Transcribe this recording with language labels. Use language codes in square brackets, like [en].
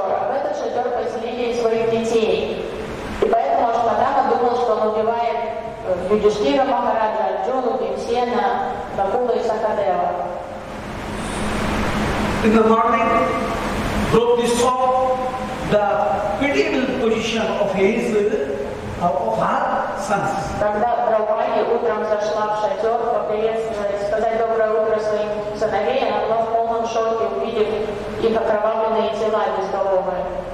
[ru] А в этот шатер поселили своих детей. И поэтому Ашватама думал, что он убивает Юдхиштира Махараджа, Арджуну, Бхимсена, Накулу и Сахадева. [en] In the morning, Draupadi saw the pitiable position of his of her sons. [ru] Тогда Драупади утром зашла в шатер, поприветствовать, сказать доброе утро своим сыновей, она была в полном шоке, увидев их окровавленные тела безголовые.